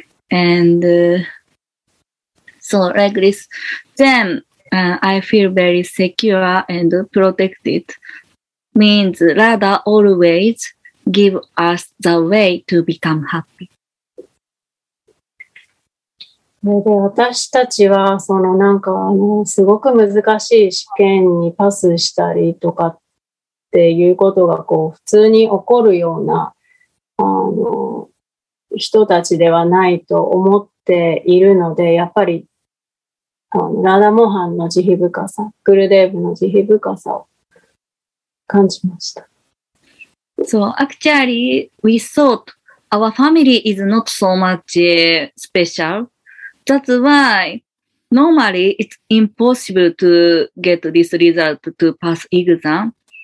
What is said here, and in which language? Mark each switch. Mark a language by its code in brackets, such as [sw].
[en] And so like this, then I feel very secure and protected. Means Radha always give us the way to become happy. [ja] で、私たちは、そのなんか、すごく難しい試験にパスしたりとかっていうことが、こう、普通に起こるような、人たちではないと思っているので、やっぱり、ラダモハンの慈悲深さ、グルデーブの慈悲深さを感じました。 [en] So, actually, we thought our family is not so much special. That's why normally it's impossible to get this result to pass exam.